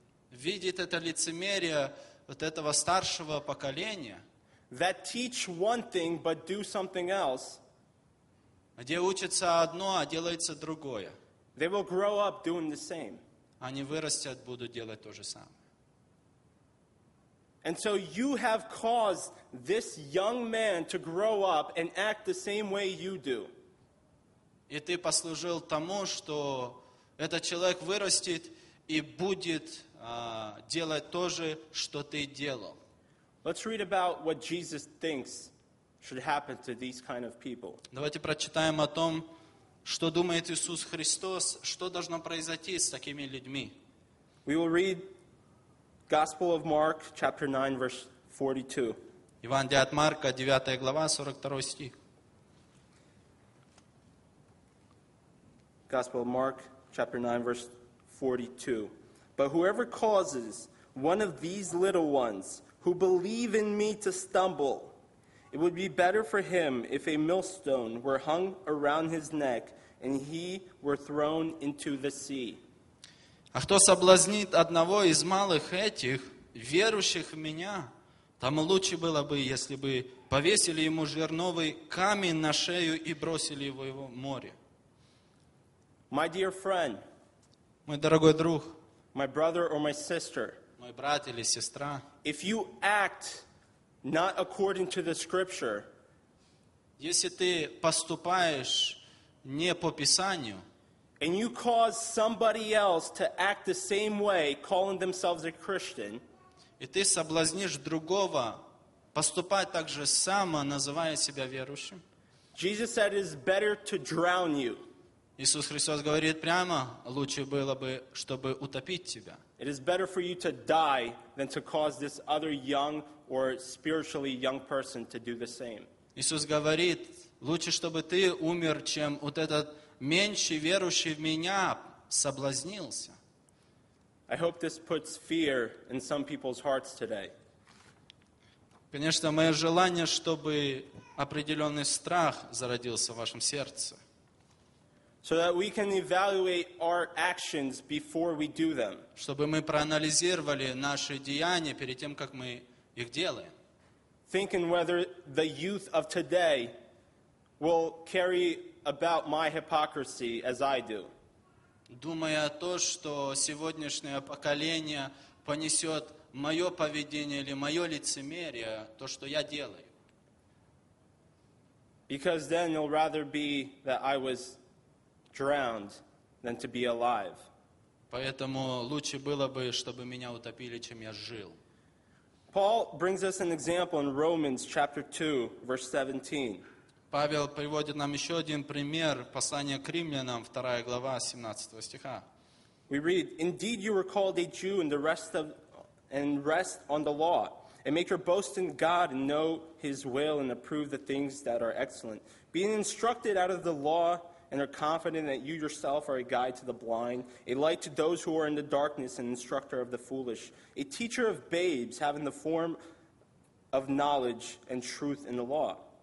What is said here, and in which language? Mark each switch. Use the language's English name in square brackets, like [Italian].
[Russian] видит это лицемерие вот этого старшего поколения, [English] that teach one thing but do something else, [Russian] где учится одно, а делается другое, [English] they will grow up doing the same. [Russian] Они вырастят, будут делать то же самое. [English] And so you have caused this young man to grow up and act the same way you do. [Russian] И ты послужил тому, что этот человек вырастет и будет делать то же, что ты делал. [English] Let's read about what Jesus thinks should happen to these kind of people. [Russian] Давайте прочитаем о том, что думает Иисус Христос, что должно произойти с такими людьми. [English] We will read Gospel of Mark, chapter 9, verse 42. [Russian] Евангелие от Марка, 9 глава, 42 стих. [English] Gospel of Mark, chapter 9, verse 42. But whoever causes one of these little ones who believe in me to stumble, it would be better for him if a millstone were hung around his neck and he were thrown into the sea. [Russian] А кто соблазнит одного из малых этих, верующих в меня, тому лучше было бы, если бы повесили ему жерновый камень на шею и бросили его в море. [English] My dear friend, [Russian] мой дорогой друг, [English] my brother or my sister, [Russian] мой брат или сестра, [English] if you act not according to the scripture, [Russian] если ты поступаешь не по Писанию, [English] and you cause somebody else to act the same way, calling themselves a Christian, [Russian] и ты соблазнишь другого поступать так же само, называя себя верующим, [English] Jesus said it is better to drown you. [Russian] Иисус Христос говорит прямо, лучше было бы, чтобы утопить тебя. [English] It is better for you to die than to cause this other young or spiritually young person to do the same. [Russian] Иисус говорит, лучше, чтобы ты умер, чем вот этот меньший верующий в меня соблазнился. [English] I hope this puts fear in some people's hearts today. [Russian] Конечно, мое желание, чтобы определенный страх зародился в вашем сердце. [English] So that we can evaluate our actions before we do them. [Russian] Чтобы мы проанализировали наши деяния перед тем, как мы их делаем. [English] Thinking whether the youth of today will carry about my hypocrisy as I do. [Russian] Думая о том, что сегодняшнее поколение понесет мое поведение или мое лицемерие, то, что я делаю. [English] Because then it'll rather be that I was drowned than to be alive. [Russian] Поэтому лучше было бы, чтобы меня утопили, чем я жил. [English] Paul brings us an example in Romans chapter 2, verse 17. [Russian] Павел приводит нам еще один пример, послание к Римлянам, 2 глава, 17 стиха. [English] We read, indeed you were called a Jew and the rest of and rest on the law, and make your boast in God and know his will and approve the things that are excellent. Being instructed out of the law and are confident that you yourself are a guide to the blind, a light to those who are in the darkness, an instructor of the foolish, a teacher of babes, having the form of knowledge and truth in the law.